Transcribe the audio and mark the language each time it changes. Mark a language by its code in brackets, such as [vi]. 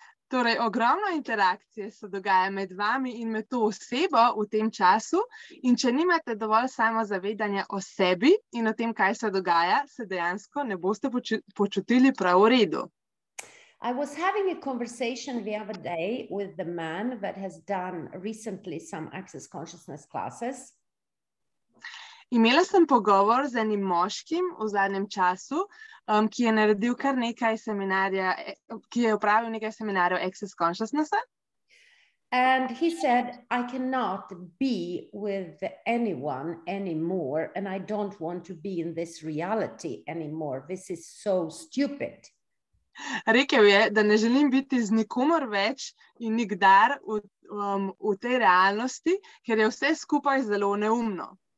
[sl] Torej, ogromno interakcije se dogaja med vami in med to osebo v tem času in če nimate dovolj samozavedanja o sebi in o tem, kaj se dogaja, se dejansko ne boste počutili prav v redu. [en] I was having a conversation the other day with the man that has done recently some access consciousness classes. [sl] Imela sem pogovor z enim moškim v zadnjem času, ki je naredil kar nekaj seminarja, ki je opravil nekaj seminarjev Access Consciousness. [en] And he said, I cannot be with anyone anymore and I don't want to be in this reality anymore. This is so stupid. [sl] Rekel je, da ne želim biti z nikomor več in nikdar v tej realnosti, ker je vse skupaj zelo neumno.